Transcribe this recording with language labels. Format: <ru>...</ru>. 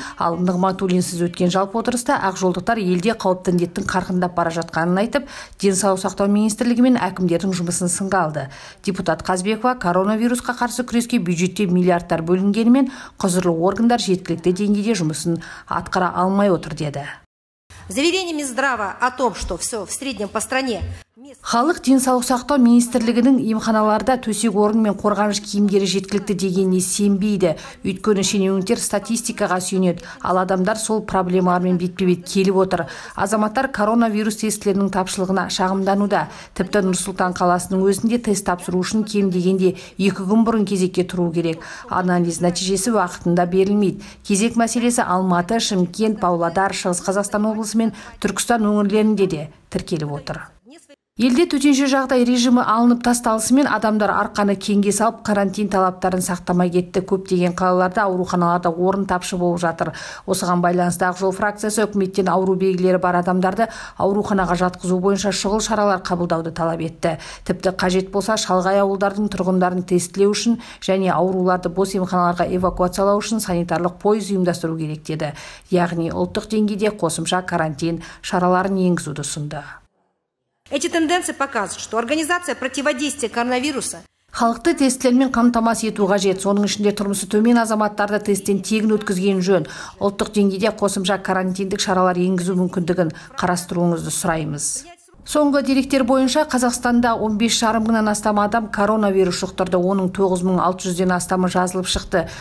<kk>Ал Нығматулинсіз өткен жалпы отырыста ақжолдықтар елде қауіпті індеттің қарқындап бара жатқанын айтып, денсаулық сақтау министрлігі мен әкімдердің жұмысын сынға алды. Депутат Қазбекова коронавирусқа қарсы күреске бюджет миллиардтар бөлінгенімен құзырлы органдар жеткілікті деңгейде жұмысын атқара алмай отыр деді.</kk> <ru>Заверение Минздрава о том, что все в среднем по стране.</ru> <kk>Халық денсаулық сақтау министрлігінің емханаларда төсек орын мен қорғаныш киімдері жеткілікті дегеніне сенбейді. Өйткені шенеуніктер статистикаға сүйенеді, ал адамдар сол проблемалармен бетпе-бет келіп отыр. Азаматтар коронавирус тестілерінің тапшылығына шағымдануда. Тіпті Нұр-Сұлтан қаласының өзінде тест тапсыру үшін кем дегенде 2 күн бұрын кезекке тұру керек. Анализ нәтижесі уақытында берілмейді. Кезек мәселесі Алматы, Шымкент, Павлодар, Шығыс Қазақстан облысы мен Түркістан өңірлерінде де тіркеліп отыр. Елде төтенше жағдай режимі алынып тасталысымен адамдар арқаны кенге салып, карантин талаптарын сақтамай кетті. Көптеген қалаларда ауруханаларда орын тапшы болып жатыр. Осыған байланысты Ақжол фракциясы үкіметтен ауру белгілері бар адамдарды ауруханаға жатқызу бойынша шұғыл шаралар қабылдауды талап етті. Тіпті қажет болса шалғай ауылдардың тұрғындарын тестілеу үшін және ауруларды бос емханаларға эвакуациялау үшін санитарлық пойыз ұйымдастыру керек деді. Яғни ұлттық деңгейде қосымша карантин шараларын енгізуді ұсынды.</kk> <ru>Эти тенденции показывают, что организация противодействия коронавируса...</ru> <kk>Халықты тестілермен қамтамасыз ету қажет. Соның ішінде тұрмысы төмен азаматтарды тесттен тегін өткізген жөн. Ұлттық деңгейде қосымша карантиндік шаралар енгізу мүмкіндігін қарастыруыңызды сұраймыз. Соңғы деректер бойынша Қазақстанда 15,5 мыңнан астам адам коронавирус жұқтырды, оның 9600-ден астамы жазылып шықты.</kk>